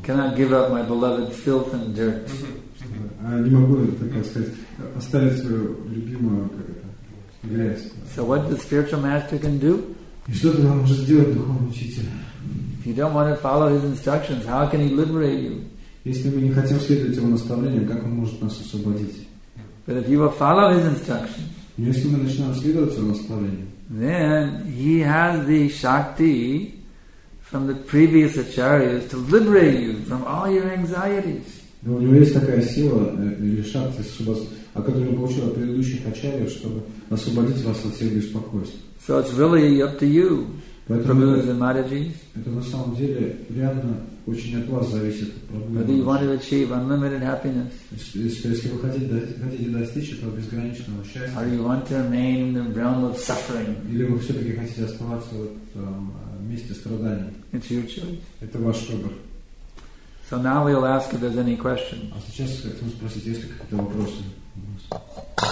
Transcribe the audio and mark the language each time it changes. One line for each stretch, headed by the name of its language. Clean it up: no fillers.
English: Cannot give up my beloved filth and dirt.
Russian: Не могу, так сказать, оставить свою любимую грязь.
English: So what the spiritual master can do?
Russian: И что тогда может сделать духовный учитель?
English: If you don't want to follow his instructions, how can he liberate you?
Russian: Если мы не хотим следовать его наставлениям, как он может нас освободить?
English: But if you will follow his instructions.
Russian: Но если мы начинаем следовать его наставлениям.
English: Then he has the shakti from the previous acharyas to liberate you from all your anxieties.
Russian: У него есть такая сила или шакти, о которой он получил от предыдущих ачарьев, чтобы освободить вас от всех беспокойств.
English: So it's really up to you, Prabhus and Matajis.
Russian: Это на самом деле реально очень от вас зависит.
English: Whether you want to achieve unlimited happiness.
Russian: Если вы хотите достичь этого безграничного счастья.
English: Or you want to remain in the realm of suffering.
Russian: Или вы все-таки хотите оставаться в месте страданий.
English: It's your choice.
Russian: Это ваш выбор.
English: So now we'll ask if there's any questions.
Russian: А сейчас хотим спросить, есть ли какие-то вопросы.